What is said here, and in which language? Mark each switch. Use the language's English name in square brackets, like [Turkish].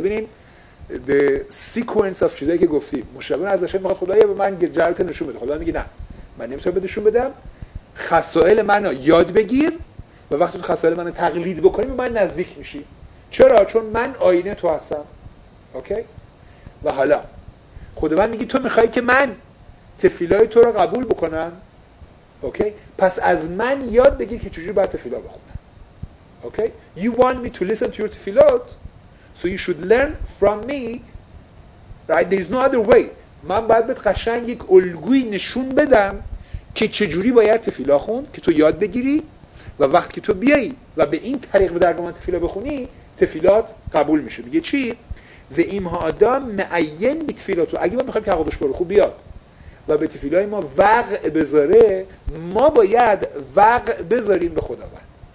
[Persian] ببینیم [English] the sequence of [Persian] چیزایی که گفتیم، مشابه از هشم میخواد خدایا به من جرأت نشون بده، خدا میگه نه من نمیتونم بدشون بدم، خصائل منو یاد بگیر و وقتی تو خصائل منو تقلید بکنی به من نزدیک میشی. چرا؟ چون من آینه تو هستم. اوکی؟ و حالا خداوند میگه تو میخوای که من تفیلای تو رو قبول بکنم، اوکی؟ پس از من یاد بگیر که چجوری باید تفیلا بخونم. [English] Okay? You want me to listen to your تفیلات، so you should learn from me. Right? There is no other way. [Persian] من باید بهت قشنگ یک الگوی نشون بدم که چجوری باید تفیلا خوند که تو یاد بگیری، و وقت که تو بیایی و به این طریق به درگاه من تفیلا بخونی، تفیلات قبول میشه. میگه چی؟ و ایمها آدم معین بی تفیلاتو، اگه ما میخواییم که عقادش برو خوب بیاد و به تفیلای ما وقع بذاره، ما باید وقع بذاریم به خداوند.